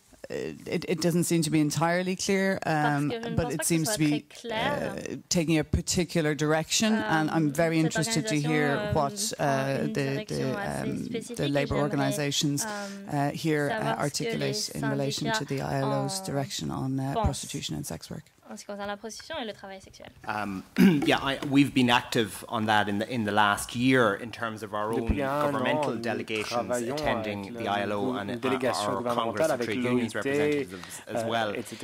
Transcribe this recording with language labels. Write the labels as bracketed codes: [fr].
[en] It doesn't seem to be entirely clear, but it seems to be taking a particular direction, and I'm very interested to hear what the labor organizations here articulate in relation to the ILO's direction on prostitution and sex work. [fr] En ce qui concerne la prostitution et le travail sexuel. [en] We've been active on that in the last year in terms of our own governmental delegations attending the ILO and our Congress of Trade Unions representatives as well.